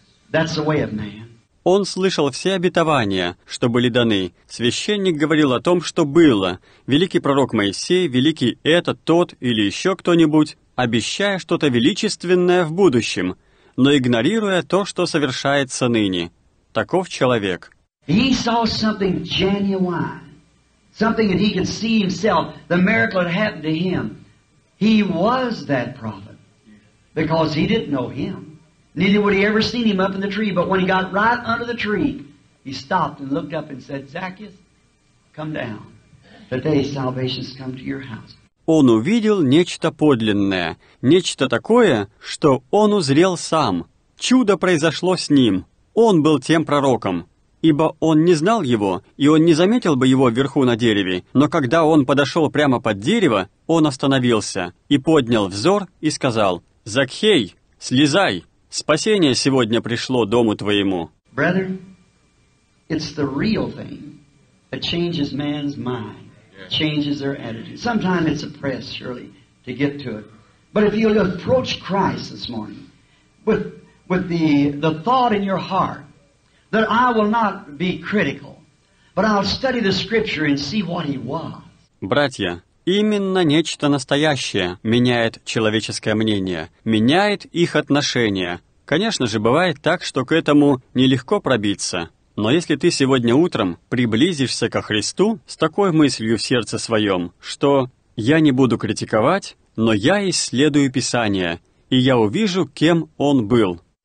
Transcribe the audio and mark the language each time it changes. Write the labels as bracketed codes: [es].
[en] That's the way of man. [ru] Он слышал все обетования, что были даны. Священник говорил о том, что было. Великий пророк Моисей, великий этот, тот или еще кто-нибудь, обещая что-то величественное в будущем, но игнорируя то, что совершается ныне. Таков человек. [en] He saw something genuine. Something that he could see himself. The miracle that happened to him. He was that prophet. Because he didn't know him. Neither would he ever seen him up in the tree. But when he got right under the tree, he stopped and looked up and said, Zacchaeus, come down. Today salvation's come to your house. [ru] Он увидел нечто подлинное, нечто такое, что он узрел сам. Чудо произошло с ним. Он был тем пророком, ибо он не знал его, и он не заметил бы его вверху на дереве. Но когда он подошел прямо под дерево, он остановился и поднял взор и сказал, «Закхей, слезай! Спасение сегодня пришло дому твоему». [en] Brother, it's the real thing that changes man's mind. Changes their attitude. Sometimes it's a press, surely, to get to it. But if you approach Christ this morning with the thought in your heart that I will not be critical, but I'll study the Scripture and see what He was. [ru] Братья, именно нечто настоящее меняет человеческое мнение, меняет их отношения. Конечно же, бывает так, что к этому нелегко пробиться. Но если ты сегодня утром приблизишься ко Христу с такой мыслью в сердце своем, что «я не буду критиковать, но я исследую Писание, и я увижу, кем Он был».